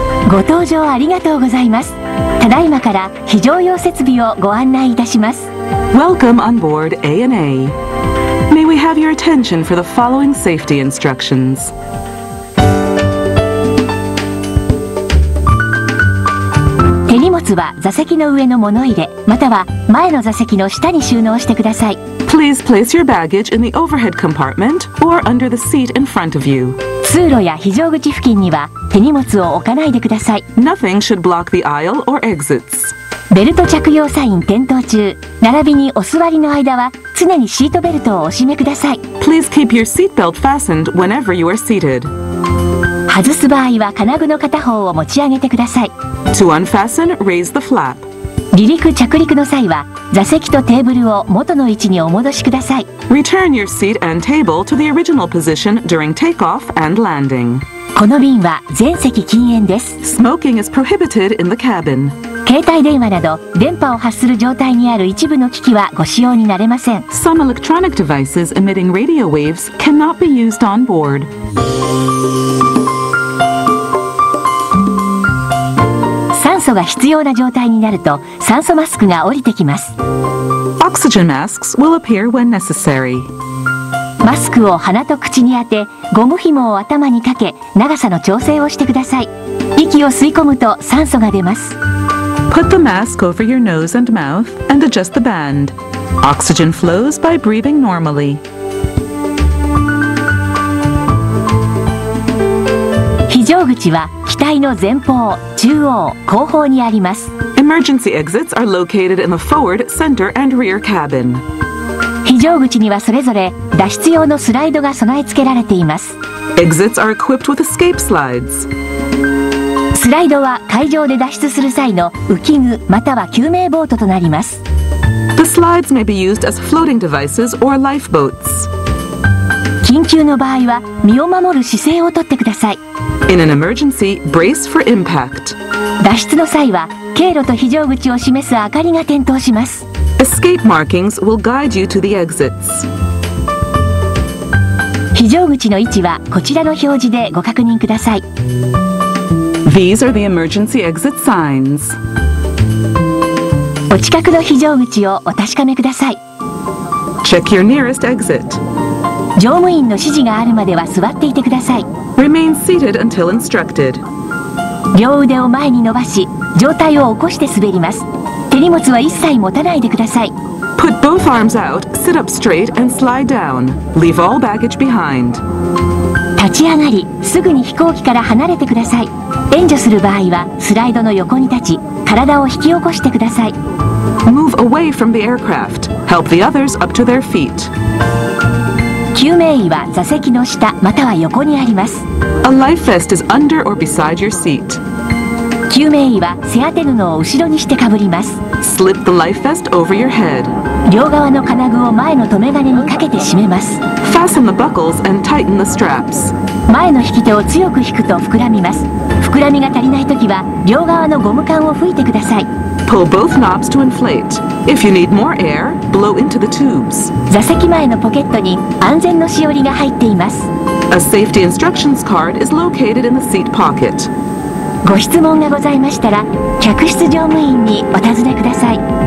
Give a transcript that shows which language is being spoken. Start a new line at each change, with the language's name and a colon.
Japanese: ご搭乗ありがとうございます。ただいまから非常用設備をご案内いたします。
English: Welcome on board ANA. May we have your attention for the following safety instructions.
Japanese: 手荷物は座席の上の物入れ、または前の座席の下に収納してください。
English: Please place your baggage in the overhead compartment or under the seat in front of you.
Japanese: 通路や非常口付近には手荷物を置かないでください。
English: Nothing should block the aisle or exits.
Japanese: ベルト着用サイン点灯中、並びにお座りの間は常にシートベルトをお締めください。
English: Please keep your seat belt fastened whenever you are seated.
Japanese: 外す場合は金具の片方を持ち上げてください。
English: To unfasten, raise the flap.
Japanese: 離陸着陸の際は座席とテーブルを元の位置にお戻しください。
English: Return your seat and table to the original position during takeoff and landing.
Japanese: この便は全席禁煙です。
English: Smoking is prohibited in the cabin.
Japanese: 携帯電話など電波を発する状態にある一部の機器はご使用になれません。
English: Some electronic devices emitting radio waves cannot be used on board.
Japanese: 酸素が必要な状態になると酸素マスクが降りてきます。
English: Oxygen masks will appear when necessary.
Japanese: マスクを鼻と口に当てゴム紐を頭にかけ長さの調整をしてください。息を吸い込むと酸素が出ます。
English: Put the mask over your nose and mouth and adjust the band. Oxygen flows by breathing normally.
Japanese: 非常口は機体の前方、中央、後方にあります。
English: Emergency exits are located in the forward, center, and rear cabin.
Japanese: 非常口にはそれぞれ脱出用のスライドが備え付けられています。
English: Exits are equipped with escape slides.
Japanese: スライドは海上で脱出する際の浮き具または救命ボートとなります。
English: The slides may be used as floating devices or lifeboats.
Japanese: 緊急の場合は身を守る姿勢をとってください。
English: In an emergency, brace for impact.
Japanese: 脱出の際は経路と非常口を示す明かりが点灯します。
English: Escape markings will guide you to the exits.
Japanese: 非常口の位置はこちらの表示でご確認ください。
English: These are the emergency exit signs.
Japanese: お近くの非常口をお確かめください。
English: Check your nearest exit.
Japanese: 乗務員の指示があるまでは座っていてください。
English: Remain seated until instructed.
Japanese: 両腕を前に伸ばし、上体を起こして滑ります。手荷物は一切持たないでください。
English: Put both arms out, sit up straight and slide down. Leave all baggage behind.
Japanese: 立ち上がり、すぐに飛行機から離れてください。援助する場合は、スライドの横に立ち、体を引き起こしてください。
English: Move away from the aircraft. Help the others up to their feet.
Japanese: 救命衣は座席の下または横にあります。
English: A life vest is under or beside your seat.
Japanese: 救救命衣は背当て布を後ろにしてかぶります。
English: Slip the life vest over your head.
Japanese: 両側の金具を前の留め金にかけて締めます。
English: Fasten the buckles and tighten the straps.
Japanese: 前の引き手を強く引くと膨らみます。膨らみが足りないときは両側のゴム管を吹いてください。
English: Pull both knobs to inflate. If you need more air, blow into the tubes.
Japanese: 座席前のポケットに安全のしおりが入っています。
English: A safety instructions card is located in the seat pocket.
Japanese: ご質問がございましたら、客室乗務員にお尋ねください。